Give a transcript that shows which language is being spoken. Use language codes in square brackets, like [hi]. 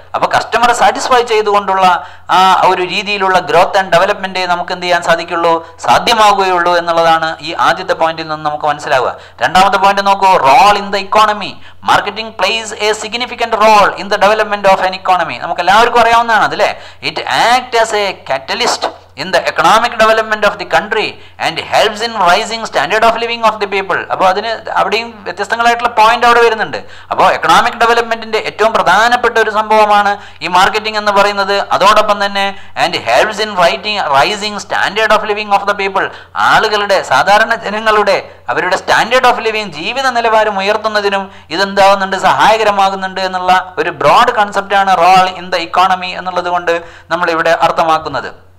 [ml] അപ്പൊ കസ്റ്റമറെ സാറ്റിസ്ഫൈ ചെയ്തുകൊണ്ടുള്ള ആ ഒരു രീതിയിലുള്ള ഗ്രോത്ത് ആൻഡ് ഡെവലപ്മെന്റ് നമുക്ക് എന്ത് ചെയ്യാൻ സാധിക്കുള്ളൂ, സാധ്യമാവുകയുള്ളൂ എന്നുള്ളതാണ് ഈ ആദ്യത്തെ പോയിന്റിൽ നിന്ന് നമുക്ക് മനസ്സിലാവുക. രണ്ടാമത്തെ പോയിന്റ് നോക്കൂ, [en] Role in the economy. Marketing plays a significant role in the development of an economy. [ml] നമുക്ക് എല്ലാവർക്കും അറിയാവുന്നതാണ് അതല്ലേ. [en] It act as a catalyst. in the economic development of the country and helps in rising standard of living of the people. [ml] അപ്പോൾ അതിന് അവിടെയും വ്യത്യസ്തങ്ങളായിട്ടുള്ള point അവിടെ വരുന്നുണ്ട്. അപ്പോൾ എക്കണോമിക് ഡെവലപ്മെന്റിന്റെ ഏറ്റവും പ്രധാനപ്പെട്ട ഒരു സംഭവമാണ് ഈ മാർക്കറ്റിംഗ് എന്ന് പറയുന്നത്. അതോടൊപ്പം തന്നെ [en] And helps in rising standard of living of the people. [ml] ആളുകളുടെ, സാധാരണ ജനങ്ങളുടെ അവരുടെ സ്റ്റാൻഡേർഡ് ഓഫ് ലിവിംഗ്, ജീവിത നിലവാരം ഉയർത്തുന്നതിനും ഇതെന്താകുന്നുണ്ട്, സഹായകരമാകുന്നുണ്ട് എന്നുള്ള ഒരു broad കൺസെപ്റ്റാണ് role in the economy എന്നുള്ളത് കൊണ്ട് നമ്മളിവിടെ അർത്ഥമാക്കുന്നത്.